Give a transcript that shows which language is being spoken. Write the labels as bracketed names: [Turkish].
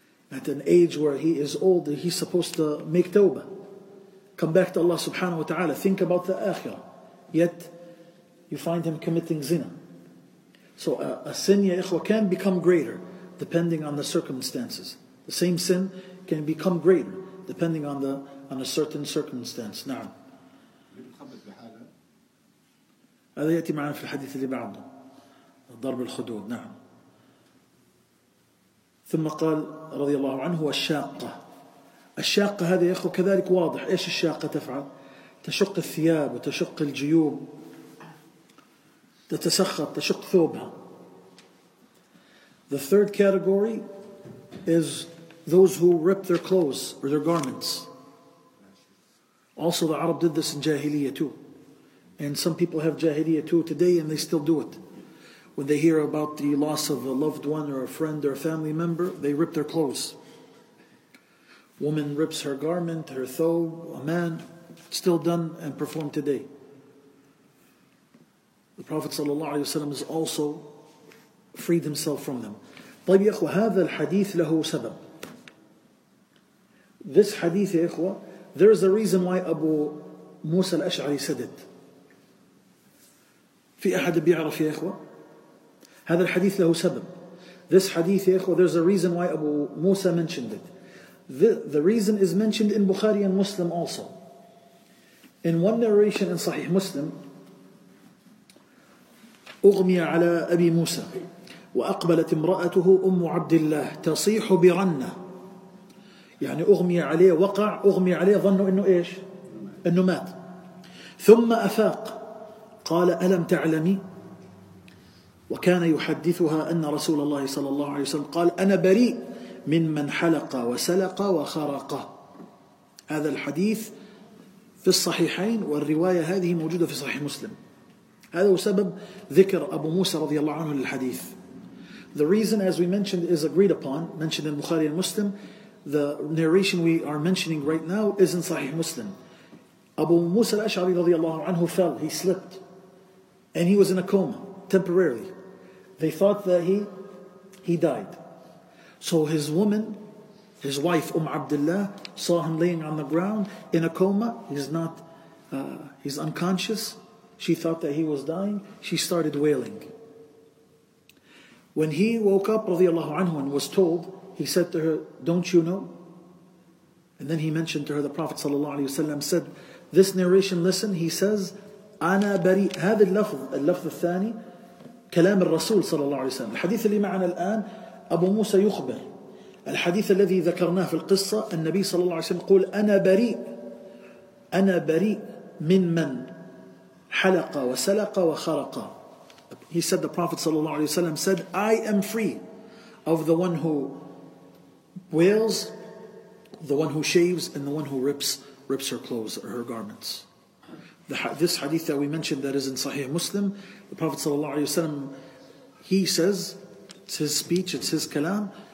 [English] At an age where he is old, he's supposed to make tawbah, come back to Allah subhanahu wa ta'ala, think about the akhirah. Yet you find him committing zina. So a sin, ya ikhwa, can become greater depending on the circumstances. The same sin can become greater depending on a certain circumstance. [Arabic] Na'am. هذا يأتي معنا في الحديث اللي بعده، ضرب الخدود. نعم. ثم قال رضي الله عنه: الشاقة هذا يا أخو كذلك واضح. إيش الشاقة تفعل؟ تشق الثياب وتشق الجيوب، تتسخط، تشق ثوبها. [English] The third category is those who rip their clothes or their garments. Also the Arab did this in Jahiliyyah too. And some people have jahiliyyah too today, and they still do it. When they hear about the loss of a loved one or a friend or a family member, they rip their clothes. Woman rips her garment, her thobe, a man, still done and performed today. The Prophet sallallahu alaihi wasallam has also freed himself from them. [Arabic] طيب يا أخوة، هذا الحديث له سبب. [English] This hadith, [Arabic] يا أخوة, [English] there is a reason why Abu Musa al-Ash'ari said it. [Arabic] في أحد بيعرف يا إخوة؟ هذا الحديث له سبب. [English] This hadith, [Arabic] يا إخوة, [English] there's a reason why Abu Musa mentioned it. The reason is mentioned in Bukhari and Muslim also. In one narration in Sahih Muslim, [Arabic] أغمي على أبي موسى وأقبلت امرأته أم عبد الله تصيح برنة. يعني أغمي عليه، وقع أغمي عليه، ظنوا إنه إيش؟ إنه مات. ثم أفاق، قال: ألم تعلمي؟ وكان يحدثها أن رسول الله صلى الله عليه وسلم قال: أنا بريء من من حلق وسلق وخرق. هذا الحديث في الصحيحين، والرواية هذه موجودة في صحيح مسلم. هذا هو سبب ذكر أبو موسى رضي الله عنه للحديث. [English] The reason, as we mentioned, is agreed upon, mentioned in Bukhari and Muslim. The narration we are mentioning right now is in صحيح مسلم. أبو موسى الأشعري [Arabic] رضي الله عنه [English] fell, he slipped, and he was in a coma temporarily. They thought that he died. So his woman, his wife, Abdullah, saw him laying on the ground in a coma. He's not, he's unconscious. She thought that he was dying. She started wailing. When he woke up, radiallahu anhu, and was told, he said to her, "Don't you know?" And then he mentioned to her, the Prophet sallallahu alayhi wasallam said, this narration, listen, he says, [Arabic] أنا بريء. هذا اللفظ, اللفظ الثاني, كلام الرسول صلى الله عليه وسلم. الحديث اللي معنا الآن, أبو موسى يخبر. الحديث الذي ذكرناه في القصة, النبي صلى الله عليه وسلم يقول, أنا بريء. أنا بريء من من حلق وسلق وخرق. [English] He said, the Prophet [Arabic] صلى الله عليه وسلم [English] said, I am free of the one who wails, the one who shaves, and the one who rips her clothes or her garments. This hadith that we mentioned that is in Sahih Muslim, the Prophet sallallahu alaihi wasallam, he says, it's his speech, it's his kalam.